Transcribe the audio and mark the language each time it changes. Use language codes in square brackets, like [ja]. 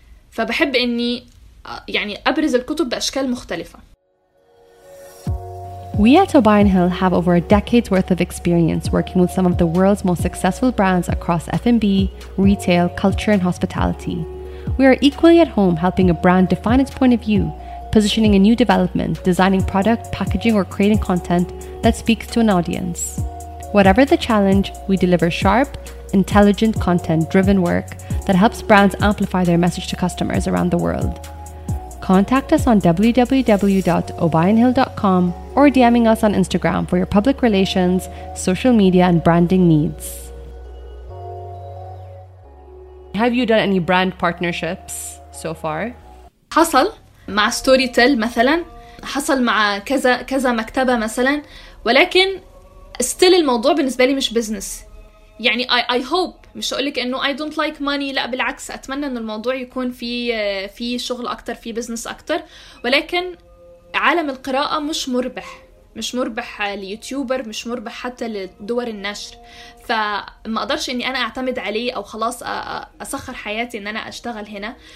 [ar] فبحب أني يعني أبرز الكتب بأشكال مختلفة. [en] We at Tobin Hill have over a decade's worth of experience working with some of the world's most successful brands across F&B, retail, culture, and hospitality. We are equally at home helping a brand define its point of view, positioning a new development, designing product, packaging, or creating content that speaks to an audience. Whatever the challenge, we deliver sharp, intelligent content-driven work that helps brands amplify their message to customers around the world. Contact us on www.obinhill.com or DMing us on Instagram for your public relations, social media, and branding needs. Have you done any brand partnerships so far? [ar] حصل مع ستوريتل مثلا، حصل مع كذا كذا مكتبة مثلا، ولكن [en] still [ar] الموضوع بالنسبة لي مش business. يعني [en] I hope، [ar] مش أقولك إنه [en] I don't like money، [ar] لا بالعكس، أتمنى إنه الموضوع يكون في شغل أكتر، في بزنس أكتر، ولكن عالم القراءة مش مربح، مش مربح ليوتيوبر، مش مربح حتى لدور النشر، فما أقدرش إني أنا أعتمد عليه أو خلاص أسخر حياتي إن أنا أشتغل هنا.